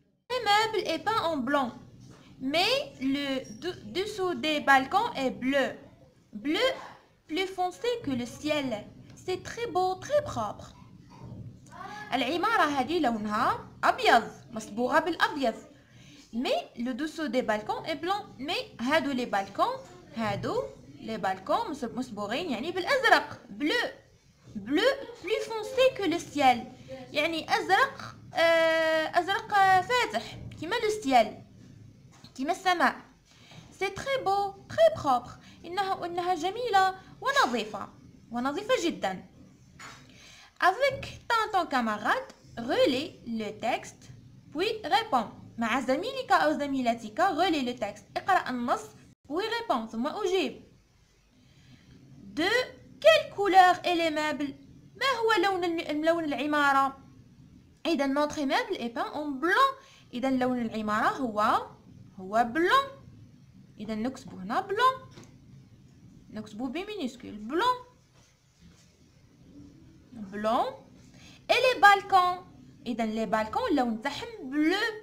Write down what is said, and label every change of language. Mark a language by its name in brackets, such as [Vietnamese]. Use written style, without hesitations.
[French] L'immeuble est peint en blanc, mais le dessous des balcons est bleu. Bleu plus foncé que le ciel. C'est très beau, très propre. [Arabic] العمارة هذه لونها أبيض، مصبوغة بالأبيض. [French] Mais le dessous des balcons est blanc. [Arabic] Mais هادو لي بالكون، هادو لي بالكون مصبوغين يعني بالأزرق. [French] Bleu. Bleu plus foncé que le ciel. [Arabic] يعني أزرق أزرق فاتح كيما لو سيال كيما السماء. سي تري بو تري بروبر إنها جميلة ونظيفة ونظيفة جدا. [French] Avec ton camarade relis le texte puis réponds. [Arabic] مع زميلك أو زميلتك [French] relis le texte، [Arabic] اقرأ النص [French] puis réponds [Arabic] ثم أجيب. [French] De quelle couleur est le meuble؟ [Arabic] ما هو لون العمارة؟ [French] إذا notre immeuble est peint en blanc. [Arabic] إذا لون العمارة هو بلون. إذا نكتبو هنا بلون، نكتبو بمينيسكول بلون بلون. إي لي بالكون، إذا لي بالكون اللون تاعهم بلو.